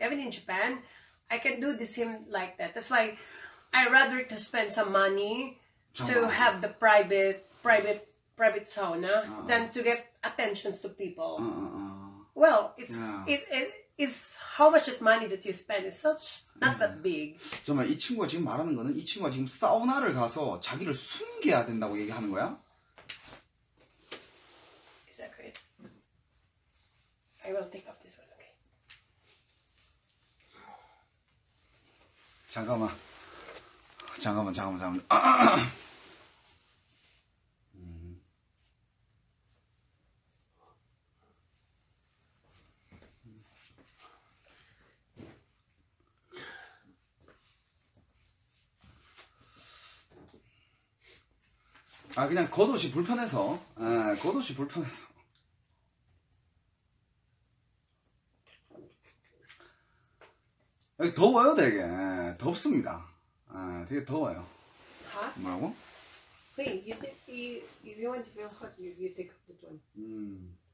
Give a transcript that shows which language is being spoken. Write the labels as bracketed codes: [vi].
[en] Even in Japan, I can do the same like that. That's why I rather to spend some money to have the private sauna than to get attentions to people. Well, it's it's how much money that you spend is such not that big. [ko] 정말 이 친구가 지금 말하는 거는 이 친구가 지금 사우나를 가서 자기를 숨겨야 된다고 얘기하는 거야? [en] Is that correct? I will take off this one. Okay. [ko] 잠깐만. 아 그냥 겉옷이 불편해서, 아 겉옷이 불편해서. 여기 더워요 되게, 덥습니다. 아 되게 더워요. [en] Hot? [ko] 뭐라고? [en] Wait, if you want to feel hot, you take off this one.